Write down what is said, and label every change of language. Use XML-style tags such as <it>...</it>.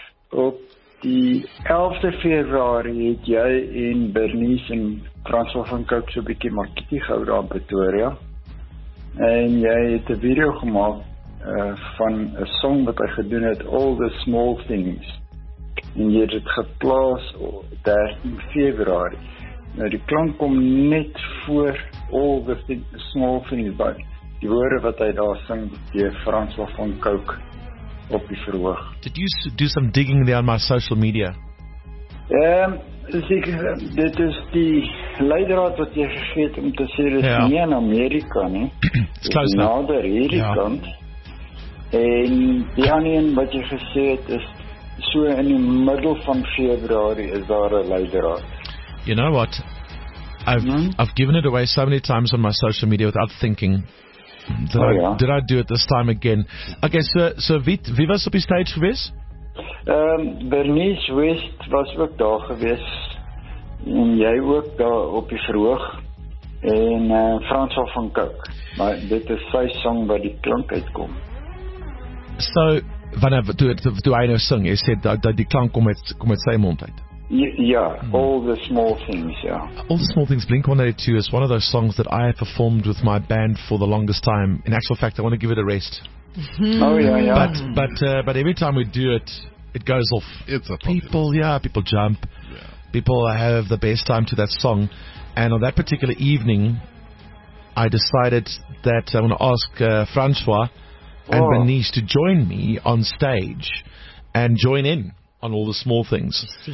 <af>Op die 11de februari het jy en Bernice en François van Kouk so bietjie makietie gehou daar in Pretoria. En jy het 'n video gemaak van 'n song wat hy gedoen het, All the Small Things. En jy het geplaas op 13 februari. Nou die klank kom net voor All the Small Things by. Die woorde wat hy daar sing, die François van Kouk op die verhoog.</af> <en>Did you do some digging there on my social media?</en> <af>Dit is die leidraad wat jy gegeet om te sê, dit is nie in Amerika nie. Dit is nader hierdie kant. En die ander een wat jy gesê het is, so in die middel van februari is daar 'n leidraad.</af> <en>You know what? I've given it away so many times on my social media without thinking. Did I do it this time again?</en> <af>Okay, so wie was op die stage geweest? Bernice West was ook daar gewees en jy ook daar op die verhoog en François van Kouk, maar dit is sy song wat die klank uitkom. So, toe hy nou sing, jy sê dat die klank kom uit sy mond uit.</af> <en>All the Small Things, Blink 182 is one of those songs that I have performed with my band for the longest time. In actual fact, I want to give it a rest. Oh yeah, yeah. But every time we do it, it goes off. It's a people, song. Yeah, people jump. Yeah. People have the best time to that song. And on that particular evening, I decided that I want to ask François and Bernice to join me on stage and join in on All the Small Things.</en>